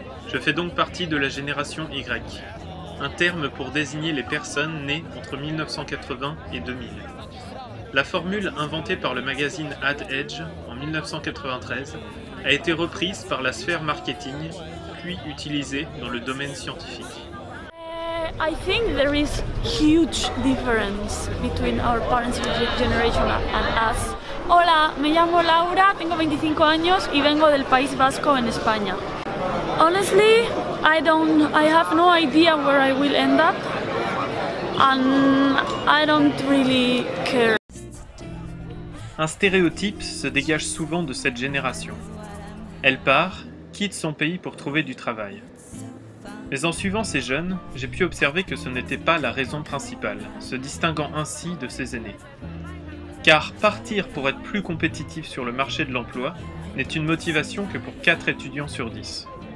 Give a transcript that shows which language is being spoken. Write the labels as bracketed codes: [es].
[fr] Je fais donc partie de la génération Y, un terme pour désigner les personnes nées entre 1980 et 2000. La formule inventée par le magazine Ad Age en 1993 a été reprise par la sphère marketing, puis utilisée dans le domaine scientifique. [en] I think there is huge difference between our parents' generation and us. [es] Hola, me llamo Laura, tengo 25 años y vengo del País Vasco en España. [en] Honestly, I have no idea where I will end up and I don't really care. [fr] Un stéréotype se dégage souvent de cette génération. Elle part, quitte son pays pour trouver du travail. Mais en suivant ces jeunes, j'ai pu observer que ce n'était pas la raison principale, se distinguant ainsi de ses aînés. Car partir pour être plus compétitif sur le marché de l'emploi n'est une motivation que pour 4 étudiants sur 10.